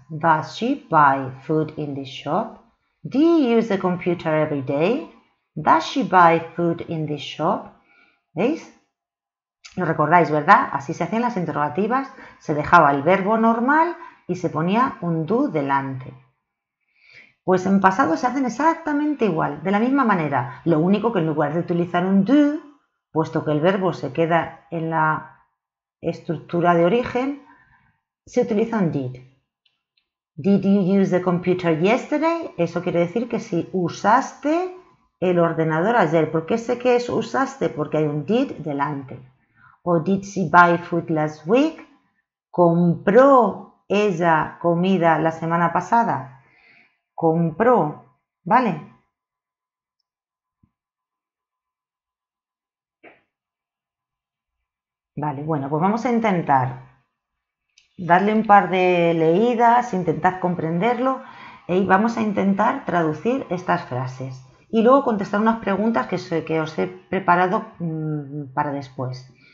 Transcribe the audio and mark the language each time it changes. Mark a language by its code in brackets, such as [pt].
[en] Does she buy food in the shop? Do you use the computer every day? Does she buy food in the shop? [es] ¿Veis? ¿Lo recordáis, verdad? Así se hacían las interrogativas. Se dejaba el verbo normal y se ponía un do delante. Pues en pasado se hacen exactamente igual, de la misma manera. Lo único que en lugar de utilizar un do, puesto que el verbo se queda en la estructura de origen, se utiliza un did. [en] Did you use the computer yesterday? [es] Eso quiere decir que si usaste el ordenador ayer. ¿Por qué sé que es usaste? Porque hay un did delante. [en] O did she buy food last week? [es] ¿Compró ella comida la semana pasada? Compró, ¿vale? Vale, bueno, pues vamos a intentar. Darle un par de leídas, intentad comprenderlo y vamos a intentar traducir estas frases y luego contestar unas preguntas que os he preparado para después.